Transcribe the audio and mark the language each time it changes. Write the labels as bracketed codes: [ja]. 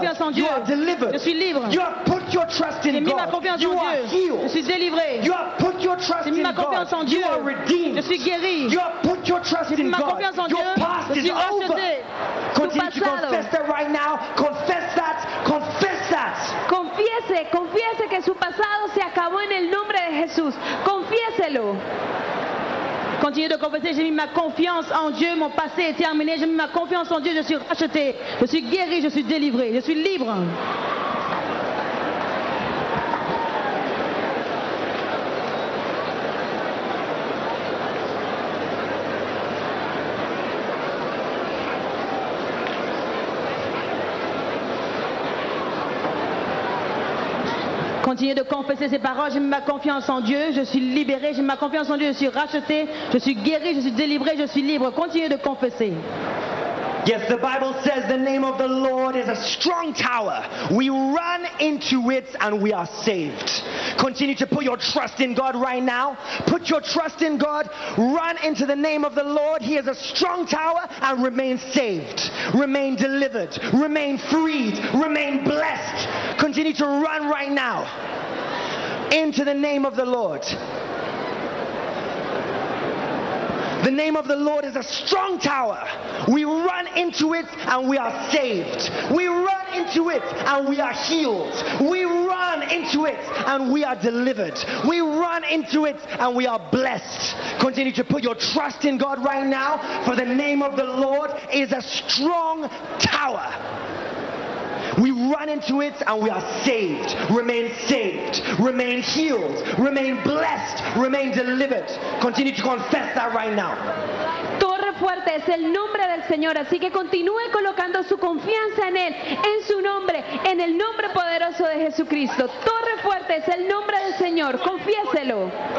[fr] Confiance en Dieu. [en] You are delivered. [fr] Je suis libre. [en] You have put your trust in [fr] je mets [en] God. [fr] Ma confiance [en] you [fr] en [en] are [fr] Dieu. [en] Healed. [fr] Je suis délivré. [en] You have put your trust [fr] je mets [en] in [fr] ma confiance [en] God. [fr] En Dieu. [en] You are redeemed. [fr] Je suis guéri. [en] You have put your trust [fr] je mets [en] in [fr] ma [en] God. [fr] Confiance en [en] your [fr] Dieu. [en] Past [fr] je [en] is over. [fr] Acheté. [en] Continue to confess that right now. Confess that. Confess that. [es] Confiese, confiese que su pasado se acabó en el nombre de Jesús. Confiéselo. [fr] Continue de confesser, j'ai mis ma confiance en Dieu, mon passé est terminé, j'ai mis ma confiance en Dieu, je suis racheté, je suis guéri, je suis délivré, je suis libre. Continuez de confesser ces paroles, j'ai mis ma confiance en Dieu, je suis libéré, j'ai mis ma confiance en Dieu, je suis racheté, je suis guéri, je suis délivré, je suis libre. Continuez de confesser. [en] Yes, the Bible says the name of the Lord is a strong tower. We run into it and we are saved. Continue to put your trust in God right now. Put your trust in God. Run into the name of the Lord. He is a strong tower and remain saved. Remain delivered. Remain freed. Remain blessed. Continue to run right now into the name of the Lord. The name of the Lord is a strong tower. We run into it and we are saved. We run into it and we are healed. We run into it and we are delivered. We run into it and we are blessed. Continue to put your trust in God right now, for the name of the Lord is a strong tower. We run into it and we are saved. Remain saved. Remain healed. Remain blessed. Remain delivered. Continue to confess that right now. [es] fuerte es el nombre del Señor, así que continúe colocando su confianza en Él, en su nombre, en el nombre poderoso de Jesucristo. Torre fuerte es el nombre del Señor, confiéselo.